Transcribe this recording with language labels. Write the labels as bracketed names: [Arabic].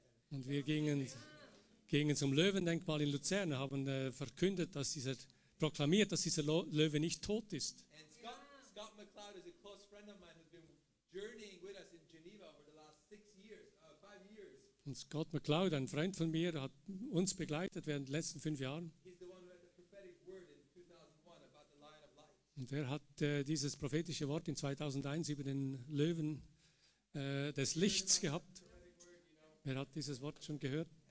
[German] Und wir gingen zum Löwendenkmal in Luzern und haben verkündet, dass dieser, proklamiert, dass dieser Löwe nicht tot ist. [English] And Scott McLeod is a close friend of mine who's been journeying with us in Geneva over the last five years. [German] Und Scott McLeod, ein Freund von mir, hat uns begleitet während den letzten 5 Jahren. [English] He's the one who had the prophetic word in 2001 about the Lion of Light. [German] Und er hat dieses prophetische Wort in 2001 über den Löwen des Lichts gehabt. Wer hat dieses Wort schon gehört?